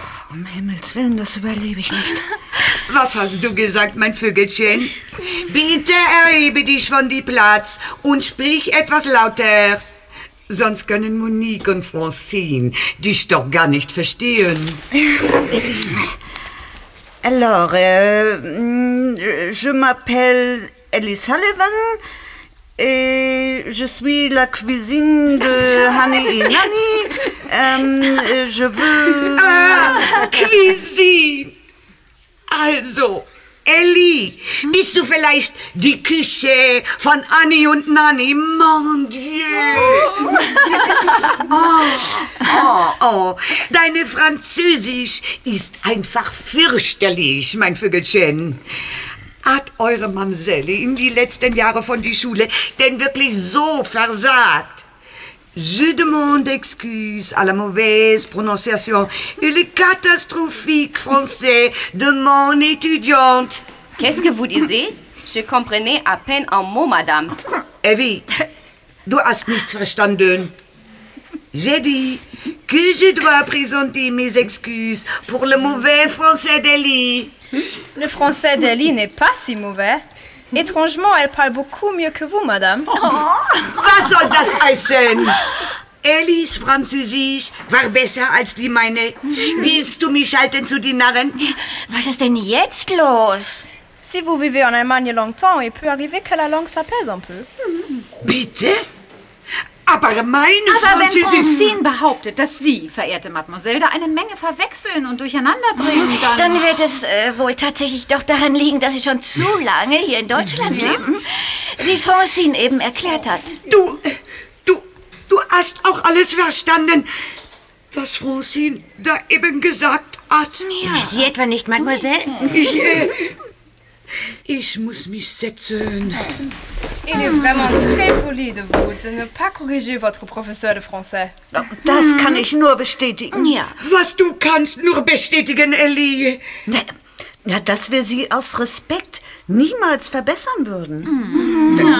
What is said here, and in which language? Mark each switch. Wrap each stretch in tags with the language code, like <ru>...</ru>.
<de>Um Himmels Willen, das überlebe ich nicht. Was hast du gesagt, mein Vögelchen? Bitte erhebe dich von dem Platz und sprich etwas lauter. Sonst können Monique und Francine dich doch gar nicht verstehen.</de> <fr>Alors, je m'appelle Ellie Sullivan et je suis la cuisine de Honey et Nanny. Je veux... Cuisine!</fr> <de>Also, Ellie, bist du vielleicht die Küche von Annie und Nanny?</de> <fr>Mon Dieu!</fr> <de>Deine Französisch ist einfach fürchterlich, mein Vögelchen. Hat eure Mamselle in die letzten Jahre von der Schule denn wirklich so versagt?</de> <fr>Je demande excuse à la mauvaise prononciation et le catastrophique français de mon étudiante. Qu'est-ce que vous disiez? Je comprenais à peine un mot, madame.</fr> <de>Evie, du hast nichts verstanden.</de> <fr>J'ai dit que je dois présenter mes excuses pour le mauvais français d'Eli. Le français d'Eli n'est pas si mauvais. Étrangement, elle parle beaucoup mieux que vous, madame.</fr> <de>Oh. Was soll das heißen? Ellis Französisch war besser als die meine. Willst du mich halten zu den Narren? Was ist denn jetzt los?</de> <fr>Si vous vivez en Allemagne longtemps, il peut arriver que la langue s'apaise un peu.</fr> <de>Bitte? Aber meine Französisch... Aber wenn Francine behauptet, dass Sie, verehrte Mademoiselle, da eine Menge verwechseln und durcheinander bringen, dann... Dann wird es wohl tatsächlich doch daran liegen, dass Sie schon zu lange hier in Deutschland leben, wie Francine eben erklärt hat. Du hast auch alles verstanden, was Francine da eben gesagt hat. Ja. Sie etwa nicht, Mademoiselle? Ich muss mich setzen.</de> <fr>Il est vraiment très poli de vous de ne pas corriger votre professeur de français.</fr> <de>Das kann ich nur bestätigen. Ja. Was du kannst nur bestätigen, Ellie. Na, dass wir sie aus Respekt niemals verbessern würden.</de>